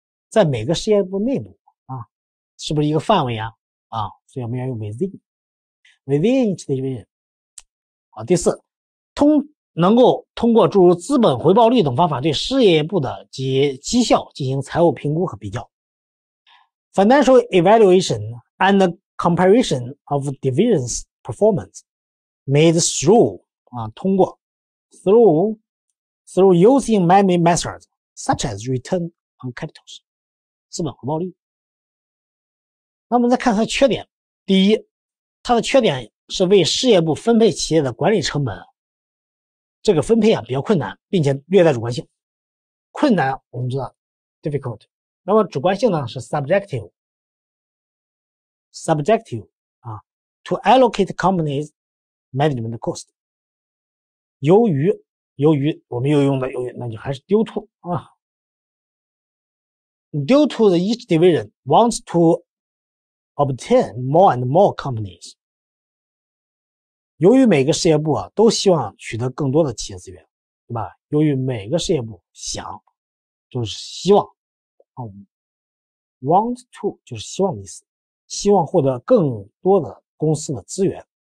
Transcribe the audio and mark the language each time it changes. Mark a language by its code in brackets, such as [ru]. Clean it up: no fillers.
[zh] 在每个事业部内部啊，是不是一个范围啊？啊，所以我们要用 [en] within each division。 [zh] 好，第四，能够通过诸如资本回报率等方法对事业部的绩效进行财务评估和比较。 [en] Financial evaluation and the comparison of divisions performance made through using many methods such as return on capitals, [zh] 资本回报率。那我们再看它的缺点。第一，它的缺点是为事业部分配企业的管理成本，这个分配啊比较困难，并且略带主观性。困难我们知道 difficult。那么主观性呢是 subjective 啊 [en] to allocate company's management cost。 [zh] 由于我们又用的由于那就还是 due to 啊。 [en] due to the each division wants to obtain more and more companies。 [zh] 由于每个事业部啊都希望取得更多的企业资源，对吧？由于每个事业部希望获得更多的公司的资源。